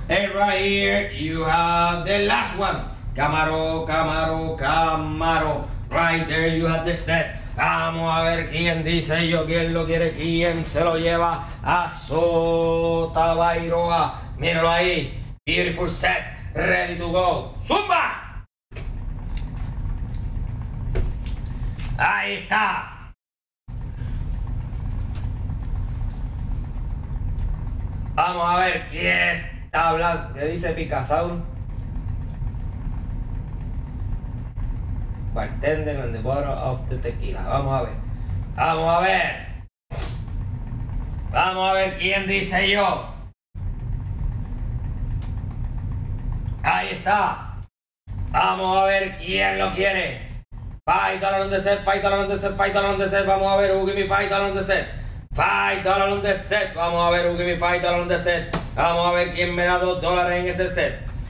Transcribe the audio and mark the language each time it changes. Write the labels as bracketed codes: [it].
[en] And right here you have the last one. Camaro, Camaro, Camaro. Right there you have the set. [es] Vamos a ver quién dice yo, quién lo quiere, quién se lo lleva a Sota Bairoa. Míralo ahí. [en] Beautiful set. Ready to go. ¡Zumba! [es] Ahí está. Vamos a ver quién está hablando. ¿Qué dice Picasaur? [en] Bartender and the bottle of the tequila. [es] Vamos a ver. Vamos a ver. Vamos a ver quién dice yo. Ahí está. Vamos a ver quién lo quiere. [en] $5 on the set, $5 on the set, $5 on the set. [es] Vamos a ver, [en] who give me $5 on the set. $5 on the set. [es] Vamos a ver, [en] who give me $5 on the set. [es] Vamos a ver quién me da $2 en ese set.